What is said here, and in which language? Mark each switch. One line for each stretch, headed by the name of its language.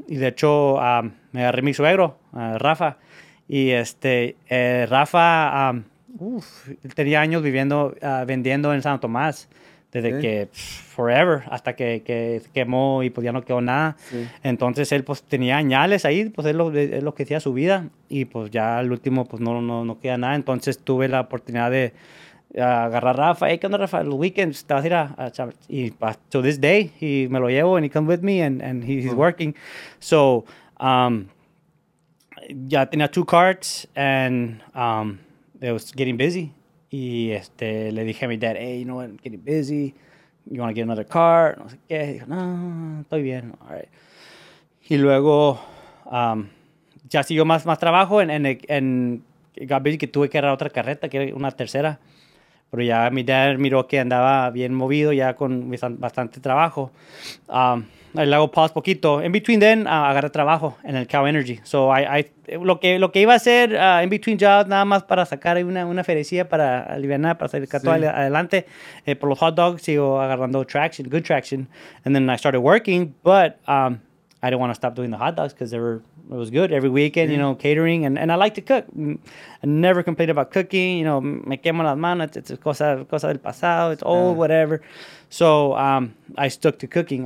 Spanish: Y, de hecho, me agarré mi suegro, Rafa. Y, Rafa, tenía años viviendo, vendiendo en Santo Tomás. Desde que,
English: forever,
Spanish: hasta que quemó y, pues, ya no quedó nada. Sí. Entonces, él, pues, tenía añales ahí. Pues, él lo que hacía su vida. Y, pues, ya al último, pues, no queda nada. Entonces, tuve la oportunidad de agarrar a Rafa. Hey, ¿qué onda, Rafa? Los weekends, te vas a ir a Chávez.
English: Y, to this day,
Spanish: y me lo llevo,
English: and he comes with me, and he's uh-huh. working. So,
Spanish: ya tenía
English: two carts, and it was getting busy.
Spanish: Y le dije a mi dad,
English: hey, you know what, I'm getting busy. You want to get another car?
Spanish: No sé qué. Dijo, no, estoy bien.
English: All right.
Spanish: Y luego ya siguió más trabajo.
English: And it got busy
Spanish: que tuve que agarrar otra carreta, que era una tercera. Pero ya mi dad miró que andaba bien movido ya con bastante trabajo. Le hago pause poquito.
English: In between then,
Spanish: agarré trabajo en el Cow Energy. So, lo que iba a hacer
English: in between jobs,
Spanish: nada más para sacar una ferecía para aliviar, para salir todo sí. adelante. Por los hot dogs, sigo agarrando traction,
English: good traction. And then I started working, but I didn't want to stop doing the hot dogs because it was good every weekend, sí. you know, catering. And I like to cook. I never complained about cooking. You know,
Spanish: me quemo las manos.
English: It's
Spanish: cosa del pasado.
English: It's old, whatever. So I stuck to cooking.